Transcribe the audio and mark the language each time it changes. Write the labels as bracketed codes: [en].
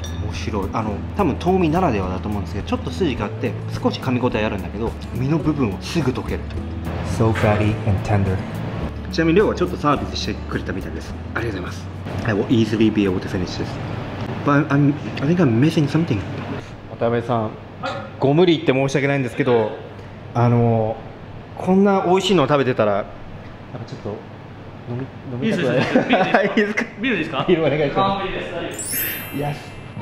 [ja] 白い、あの多分豆味ならではだと思うんですけど、ちょっと筋があって少し噛み応えあるんだけど、身の部分をすぐ溶ける。 [en] So fatty and tender。 [ja] ちなみに量はちょっとサービスしてくれたみたいです。ありがとうございます。 [en] I will easily be able to finish this but I think I'm missing something。 [ja] 渡辺さん、ご無理言って申し訳ないんですけど、あのこんな美味しいのを食べてたらやっぱちょっと飲みたくない。ビールですか？ビールですか？ビールお願いします。完璧です。よし。